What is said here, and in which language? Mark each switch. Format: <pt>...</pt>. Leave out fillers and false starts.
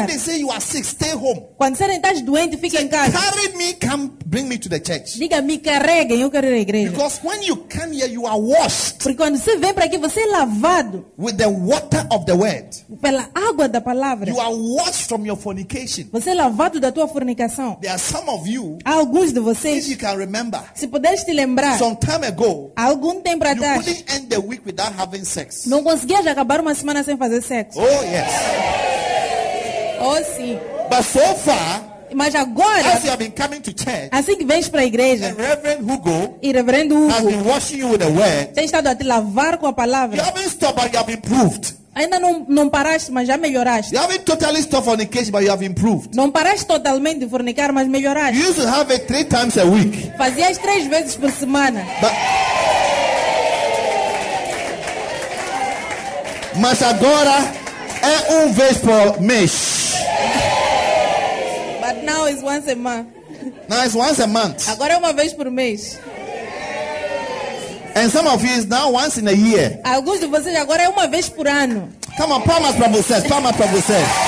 <en>When they say you are sick, stay home.</en> <pt>Quando serem estás doente, fique em casa.</pt> <en>Carry me, come bring me to the church.</en> <pt>Diga, me carreguem, eu quero ir à igreja.</pt> <en>Because when you come here, you are washed.</en> <pt>Porque quando você vem para aqui, você é lavado.</pt> <en>With the water of the word.</en> <pt>Pela água da palavra.</pt> <en>You are washed from your fornication.</en> <pt>Você é lavado da tua fornicação.</pt> <en>There are some of you,</en> <pt>há alguns de vocês,</pt> <en>if you can remember,</en> <pt>se puderes te lembrar,</pt> <en>some time ago,</en> <pt>algum tempo atrás,</pt> <en>you couldn't end the week without having sex.</en> <pt>Não conseguias acabar uma semana sem fazer sexo.</pt> <en>Oh, yes.</en> <pt>Oh, sim.</pt> <en>But so far,</en> <pt>mas agora,</pt> <en>as you have been coming to church,</en> <pt>assim que vens para a igreja,</pt> <en>and Reverend Hugo,</en> <pt>e Reverendo Hugo</pt> <en>has been washing you with the word,</en> <pt>tem estado a te lavar com a palavra.</pt> <en>You haven't stopped, but you have been proved.</en> <pt>Ainda não paraste, mas já melhoraste.</pt> <en>You haven't totally stopped fornication, but you have improved.</en> <pt>Não paraste totalmente de fornicar, mas melhoraste.</pt> <en>You used to have it 3 times a week.</en> <pt>Fazias 3 vezes por semana. Mas agora é 1 vez por mês.</pt> <en>But now it's once a month. Now it's once a month.</en> <pt>Agora é 1 vez por mês.</pt> <en>And some of you is now once in a year.</en> <pt>Alguns de vocês agora é 1 vez por ano. Come on, palmas para vocês, palmas para vocês.</pt>